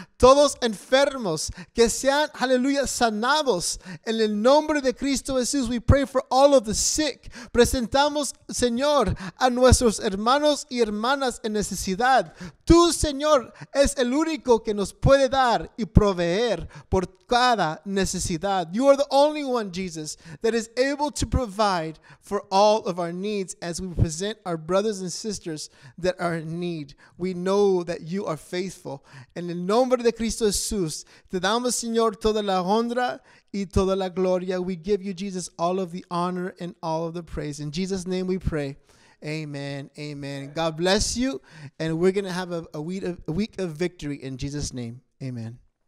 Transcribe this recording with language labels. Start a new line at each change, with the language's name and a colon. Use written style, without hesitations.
Spanish: Todos enfermos que sean, aleluya, sanados en el nombre de Cristo Jesús.
English: We pray for all of the sick.
Spanish: Presentamos, Señor, a nuestros hermanos y hermanas en necesidad. Tú, Señor, es el único que nos puede dar y proveer por cada necesidad.
English: You are the only one, Jesus, that is able to provide for all of our needs as we present our brothers and sisters that are in need. We know that you are faithful.
Spanish: En el nombre de Cristo Jesús, te damos, Señor, toda la honra y toda la gloria.
English: We give you, Jesus, all of the honor and all of the praise. In Jesus' name we pray. Amen. Amen. God bless you. And we're going to have a week of victory in Jesus' name. Amen.